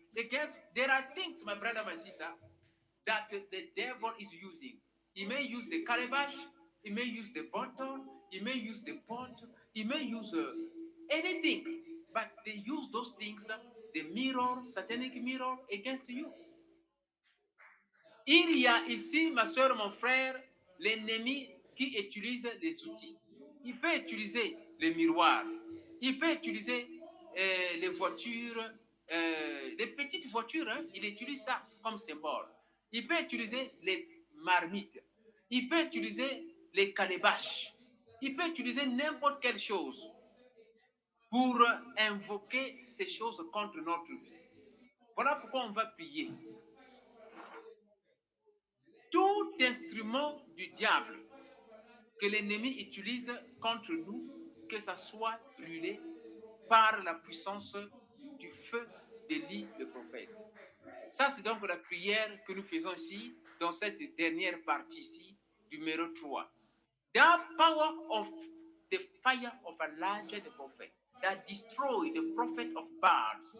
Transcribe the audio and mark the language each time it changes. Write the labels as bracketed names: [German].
[English] There are things, my brother, my sister, that the devil is using. He may use the calabash, he may use the bottle, he may use the pot. He may use anything, but they use those things, the mirror, satanic mirror, against you. [French] Il y a ici, ma soeur, mon frère, l'ennemi qui utilise les outils. Il peut utiliser les miroirs, il peut utiliser les voitures, les petites voitures, hein, il utilise ça comme symbole. Il peut utiliser les marmites, il peut utiliser les calebaches, il peut utiliser n'importe quelle chose pour invoquer ces choses contre notre vie. Voilà pourquoi on va prier. Tout instrument du diable que l'ennemi utilise contre nous, que ça soit brûlé par la puissance du feu d'Élie le prophète. Ça, c'est donc la prière que nous faisons ici, dans cette dernière partie ici, numéro 3. [English] The power of the fire of Elijah the prophet that destroyed the prophet of Baal.